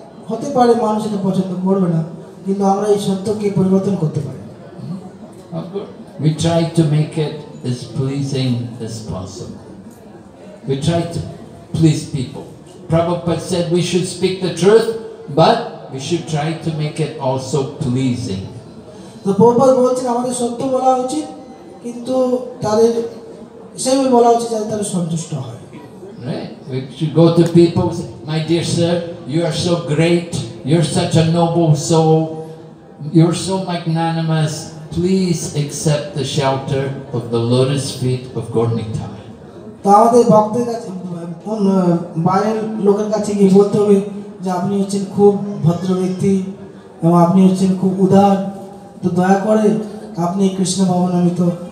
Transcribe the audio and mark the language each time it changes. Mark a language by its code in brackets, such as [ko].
[bn] হতে পারে মানুষ এটা পছন্দ করবে না কিন্তু আমরা এই সত্যকে পরিবর্তন করতে পারি [en] we try to make it as pleasing as possible we try to please people Prabhupada said we should speak the truth but we should try to make it also pleasing the purpose [bn] বলছেন আমাদের সত্য বলা উচিত কিন্তু তাদের সেইভাবে বলা উচিত যাতে তারা সন্তুষ্ট হয় [en] Right? We should go to people and say, my dear sir, you are so great, you're such a noble soul, you're so magnanimous, please accept the shelter of the lotus feet of Gornitai.